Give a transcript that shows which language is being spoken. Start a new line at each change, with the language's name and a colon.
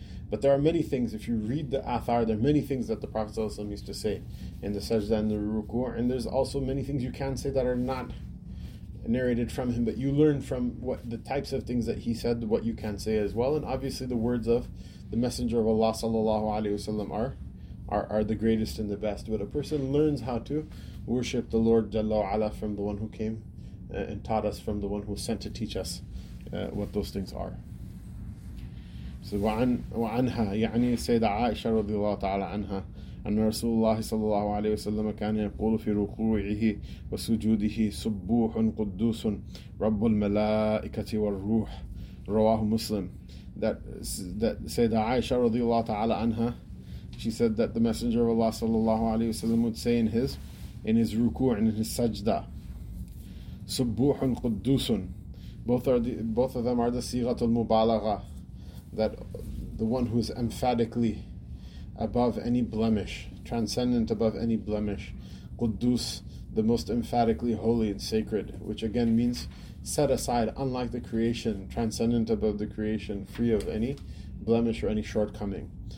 English: But there are many things, if you read the athar, there are many things that the Prophet ﷺ used to say in the sajda and the ruku, and there's also many things you can say that are not narrated from him, but you learn from what the types of things that he said, what you can say as well, and obviously the words of the Messenger of Allah sallallahu alaihi wasallam are the greatest and the best. But a person learns how to worship the Lord Jalla wa'ala from the one who came and taught us, from the one who was sent to teach us what those things are.
Arabic: So wa'anha, يعني سيدة عائشة رضي الله تعالى عنها أن رسول الله صلى الله عليه وسلم كان يقول في ركوعه وسجوده سبوح قدوس رب الملائكة والروح رواه مسلم.
English: That Sayyidah Aisha radiallahu ta'ala anha, she said that the Messenger of Allah sallallahu alayhi wasallam would say in his ruku' and in his sajda, subbuhun quddusun. Both of them are the sighatul mubalagha, that the one who is emphatically above any blemish, transcendent above any blemish, quddus, the most emphatically holy and sacred, which again means set aside, unlike the creation, transcendent above the creation, free of any blemish or any shortcoming.